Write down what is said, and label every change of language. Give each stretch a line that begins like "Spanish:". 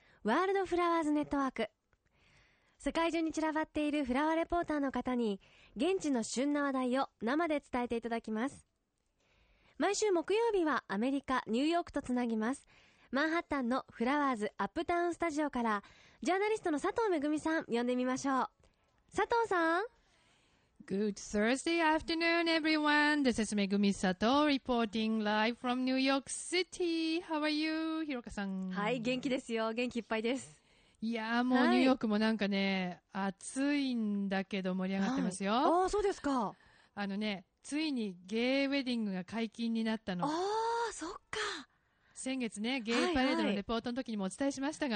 Japanese: ワールドフラワーズネットワーク。世界中に散らばっているフラワーレポーターの方に現地の旬な話題を生で伝えていただきます。毎週木曜日はアメリカ・ニューヨークとつなぎます。マンハッタンのフラワーズアップタウンスタジオからジャーナリストの佐藤めぐみさん呼んでみましょう。佐藤さん、
English: Good Thursday afternoon everyone. This is Megumi Sato reporting live from New York City. How are you? ひろかさん。
Japanese: はい、元気ですよ。元気いっぱいです。いやー、もうニューヨークもなんかね、はい、暑いんだけど盛り上がってますよ、はい、あ、そうですか。あのね、ついにゲイウェディングが解禁になったの。あー、そっか。先月ね、ゲイパレードのレポートの時にもお伝えしましたが、